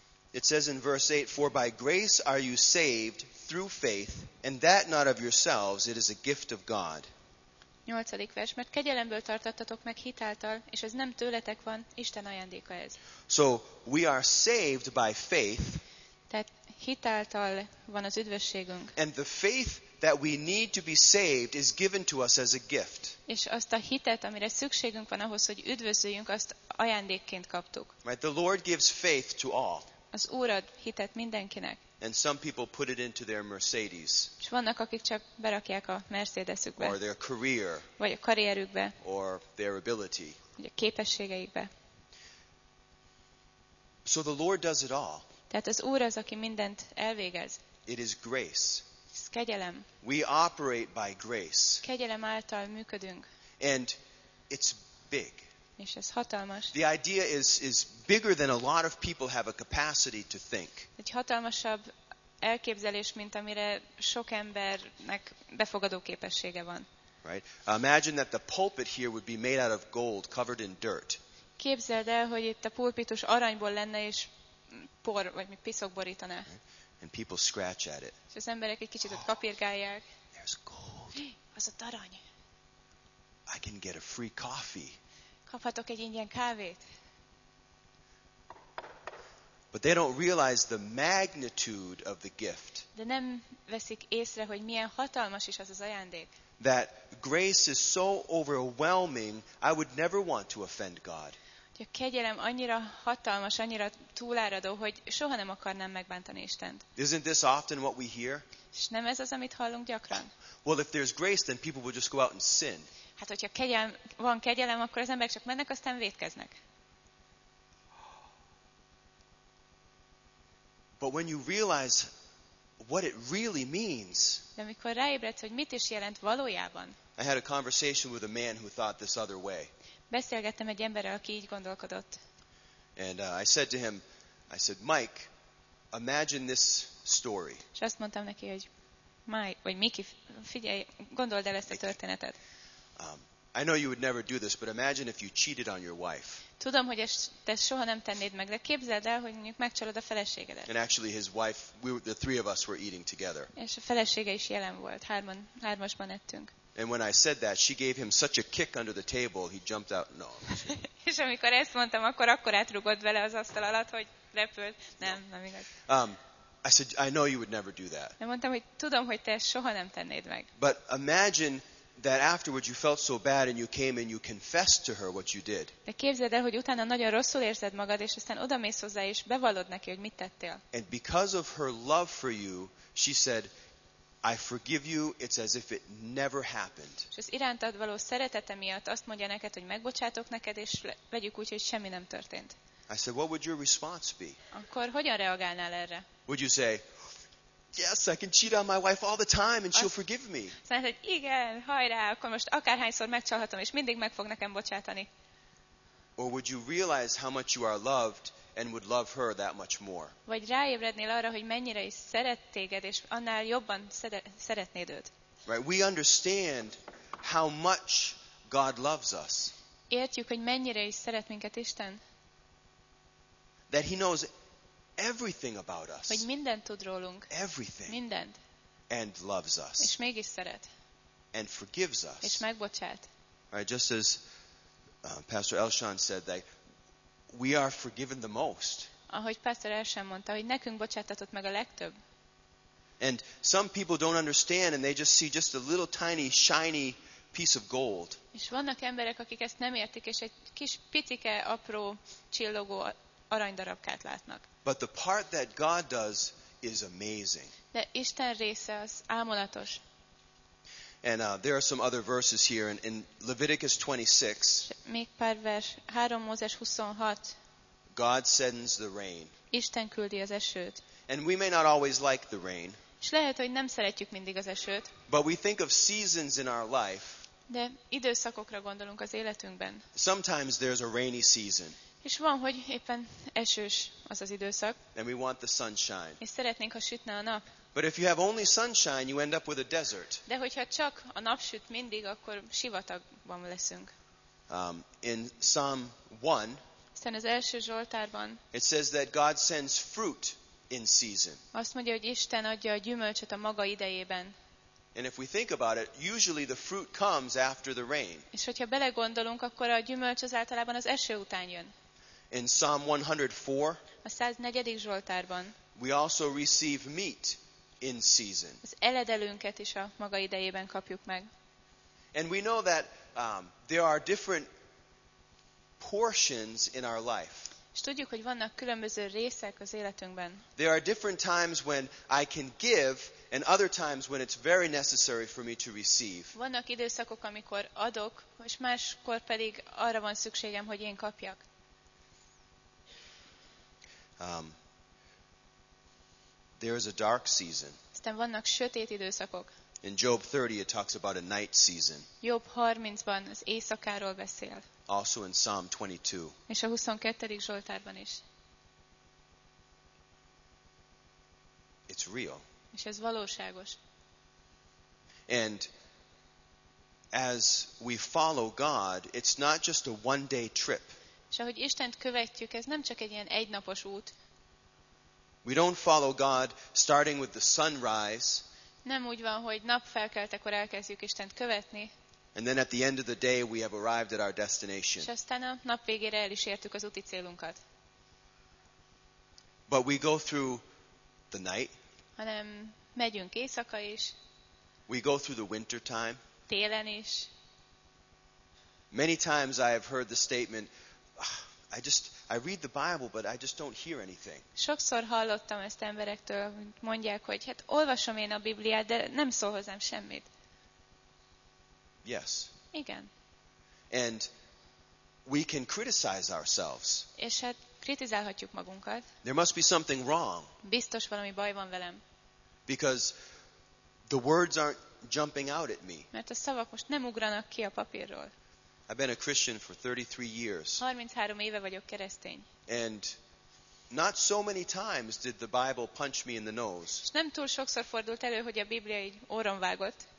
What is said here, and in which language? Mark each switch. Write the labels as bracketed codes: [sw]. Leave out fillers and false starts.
[en] It says in verse 8, for by grace are you saved through faith, and that not of yourselves, it is a gift of God. [hu] 8. vers, mert kegyelemből tartottatok meg hitáltal, és ez nem tőletek van, Isten ajándéka ez. [en] So we are saved by faith. [hu] Tehát hitáltal van az üdvösségünk. [en] And the faith that we need to be saved is given to us as a gift. [hu] És azt a hitet, amire szükségünk van ahhoz, hogy üdvözöljünk, azt ajándékként kaptuk. [en] Right, the Lord gives faith to all. [hu] Az Úr ad hitet mindenkinek. [en] And some people put it into their Mercedes. [hu] És vannak, akik csak berakják a Mercedesükbe. [en] Or their career. [hu] Vagy a karrierükbe. [en] Or their ability. [hu] Vagy a képességeikbe. [en] So the Lord does it all. [hu] Tehát az Úr az, aki mindent elvégez. [en] It is grace. [hu] Ez kegyelem. [en] We operate by grace. [hu] Kegyelem által működünk. [en] And it's big. [hu] És ez hatalmas. [en] The idea is bigger than a lot of people have a capacity to think. [hu] Egy hatalmasabb elképzelés, mint amire sok embernek befogadó képessége van. [en] Right? Imagine that the pulpit here would be made out of gold, covered in dirt. [hu] Képzeld el, hogy itt a pulpitus aranyból lenne és por vagy mi piszok borítaná. [en] Right? And people scratch at it. [hu] És az emberek egy kicsit ott kapirgálják. [en] There's gold. [hu] Az ott arany. [en] I can get a free coffee. [hu] Kaphatok egy ingyen kávét. [en] But they don't realize the magnitude of the gift. [hu] De nem veszik észre, hogy milyen hatalmas is az az ajándék. [en] That grace is so overwhelming, I would never want to offend God. [hu] Hogy a kegyelem annyira hatalmas, annyira túláradó, hogy soha nem akarnám megbántani Istent. [en] Isn't this often what we hear? [hu] És nem ez az, amit hallunk gyakran? [en] Well, if there's grace, then people will just go out and sin. [hu] Hát, hogyha kegyelem, van kegyelem, akkor az emberek csak mennek, aztán vétkeznek. [en] But when you realize what it really means. [hu] De amikor ráébredsz, hogy mit is jelent valójában. [en] I had a conversation with a man who thought this other way. [hu] Beszélgettem egy emberrel, aki így gondolkodott. [en] And I said to him, I said, Mike, imagine this story. [hu] És azt mondtam neki, hogy Mike, vagy Miki, figyelj, gondold el ezt a történetet. [en] I know you would never do this, but imagine if you cheated on your wife. [hu] Tudom, hogy te soha nem tennéd meg, de képzeld el, hogy mondjuk megcsalod a feleségedet. [en] And actually his wife, the three of us were eating together. [hu] És a felesége is jelen volt, hármasban ettünk. [en] And when I said that, she gave him such a kick under the table, he jumped out. No. [hu] És amikor ezt mondtam, akkor átrugott vele az asztal alatt, hogy repült. Nem, nem igaz. [en] I said, I know you would never do that. [hu] Én mondtam, hogy tudom, hogy te soha nem tennéd meg. [en] But imagine that afterwards you felt so bad and you came and you confessed to her what you did. [hu] De képzeld el, hogy utána nagyon rosszul érzed magad, és aztán odamész hozzá, és bevallod neki, hogy mit tettél. [en] And because of her love for you, she said, I forgive you, it's as if it never happened. [hu] És az irántad való szeretete miatt azt mondja neked, hogy megbocsátok neked, és vegyük úgy, hogy semmi nem történt. [en] I said, what would your response be? [hu] Akkor hogyan reagálnál erre? [en] Would you say, yes, I can cheat on my wife all the time and she'll forgive me. [hu] Szerinted, hogy igen, hajrá, akkor most akárhányszor megcsalhatom, és mindig meg fog nekem bocsátani. [en] Or would you realize how much you are loved and would love her that much more? [hu] Vagy ráébrednél arra, hogy mennyire is szeret téged, és annál jobban szeretnéd őt. [en] Right, we understand how much God loves us. [hu] Értjük, hogy mennyire is szeret minket Isten. [en] That he knows everything about us. [hu] Hogy mindent tud rólunk. [en] Everything. [hu] Mindent. [en] And loves us. [hu] És mégis szeret. [en] And forgives us. [hu] És megbocsát. [en] Right, just as Pastor Elshan said that we are forgiven the most. [hu] Ahogy Pastor Elshan mondta, hogy nekünk bocsátatott meg a legtöbb. [en] And some people don't understand and they just see just a little tiny shiny piece of gold. [hu] És vannak emberek, akik ezt nem értik, és egy kis picike apró csillogó aranydarabkát látnak. [en] But the part that God does is amazing. [hu] De Isten része az álmodatos. [en] And there are some other verses here in Leviticus 26. [hu] Még pár vers, 3 Mózes 26. [en] God sends the rain. [hu] Isten küldi az esőt. [en] And we may not always like the rain. [hu] És lehet, hogy nem szeretjük mindig az esőt. [en] But we think of seasons in our life. [hu] De időszakokra gondolunk az életünkben. [en] Sometimes there's a rainy season. [hu] És van, hogy éppen esős az az időszak. [en] And we want the sunshine. [hu] És szeretnénk, ha sütne a nap. [en] But if you have only sunshine, you end up with a desert. [hu] De hogyha csak a nap süt mindig, akkor sivatagban leszünk. [en] In Psalm 1, [hu] aztán az első Zsoltárban, [en] it says that God sends fruit in season. [hu] Azt mondja, hogy Isten adja a gyümölcsöt a maga idejében. [en] And if we think about it, usually the fruit comes after the rain. [hu] És hogyha belegondolunk, akkor a gyümölcs az általában az eső után jön. [en] In Psalm 104, [hu] a 104. Zsoltárban, [en] we also receive meat in season. [hu] Az eledelünket is a maga idejében kapjuk meg. [en] And we know that there are different portions in our life. [hu] És tudjuk, hogy vannak különböző részek az életünkben. [en] There are different times when I can give and other times when it's very necessary for me to receive. [hu] Vannak időszakok, amikor adok, és máskor pedig arra van szükségem, hogy én kapjak. [en] There is a dark season. [hu] Aztán vannak sötét időszakok. [en] In Job 30 it talks about a night season. [hu] Job 30-ban az éjszakáról beszél. [en] Also in Psalm 22. [hu] És a 22. Zsoltárban is. [en] It's real. [hu] És ez valóságos. [en] And as we follow God, it's not just a one day trip. [hu] És ahogy Istent követjük, ez nem csak egy ilyen egynapos út. [en] We don't follow God starting with the sunrise. [hu] Nem úgy van, hogy nap felkeltekor elkezdjük Istent követni. [en] And then at the end of the day we have arrived at our destination. [hu] És aztán a nap végére el is értük az úti célunkat. [en] But we go through the night. [hu] Hanem megyünk éjszaka is. [en] We go through the winter time. [hu] Télen is. [en] Many times I have heard the statement, I read the Bible, but I just don't hear anything. [hu] Sokszor hallottam ezt emberektől, hogy mondják, hogy hát olvasom én a Bibliát, de nem szól hozzám semmit. [en] Yes. [hu] Igen. [en] And we can criticize ourselves. [hu] És hát kritizálhatjuk magunkat. [en] There must be something wrong. [hu] Biztos valami baj van velem. [en] Because the words aren't jumping out at me. [hu] Mert a szavak most nem ugranak ki a papírról. [en] I've been a Christian for 33 years. [hu] 33 éve vagyok keresztény. [en] And not so many times did the Bible punch me in the nose. [hu] És nem túl sokszor fordult elő, hogy a Biblia így orron vágott.